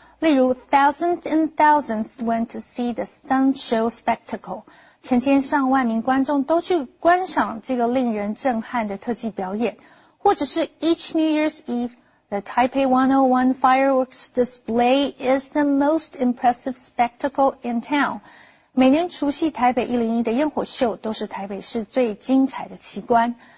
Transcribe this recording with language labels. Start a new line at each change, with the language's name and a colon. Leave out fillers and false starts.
Chinese: 例如
English: thousands and thousands went to see the stunt show spectacle.
Chinese: 成千上万名观众都去观赏这个令人震撼的特技表演。或者是
English: each New Year's Eve, the Taipei 101 fireworks display is the most impressive spectacle in town.
Chinese: 每年除夕台北101的烟火秀都是台北市最精彩的奇观。